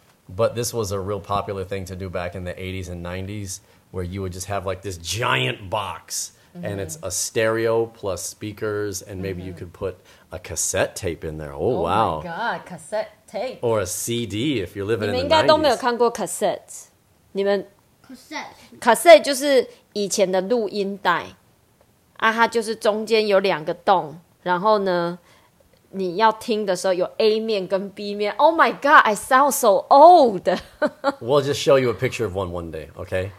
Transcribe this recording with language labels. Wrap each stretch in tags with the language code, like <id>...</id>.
<en>But this was a real popular thing to do back in the 80s and 90s where you would just have like this giant box. Mm-hmm. And it's a stereo plus speakers, and maybe mm-hmm. you could put a cassette tape in there. Oh, wow. Oh, my God, cassette tape. Or a CD if you're living in the</en> <zh>90s. 你们应该都没有看过 cassette. 你们</zh> <en>cassette.</en> <zh>Cassette 就是以前的录音带。啊，它就是中间有两个洞。然后呢，你要听的时候有 A 面跟 B 面。</zh> <en>Oh, my God, I sound so old. We'll just show you a picture of one day, okay?</en>